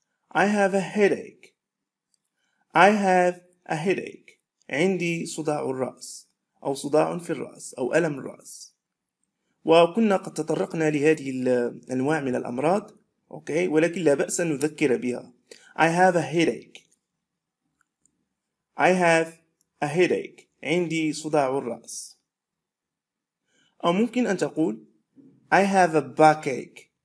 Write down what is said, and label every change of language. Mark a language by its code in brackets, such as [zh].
[en] I have a headache. I have a headache. [ar] عندي صداع الرأس. أو صداع في الرأس أو ألم الرأس. وكنا قد تطرقنا لهذه الأنواع من الأمراض، أوكي، ولكن لا بأس أن نذكر بها. [en] I have a headache. I have a headache. [ar] عندي صداع الرأس. أو ممكن أن تقول [en] I have a backache.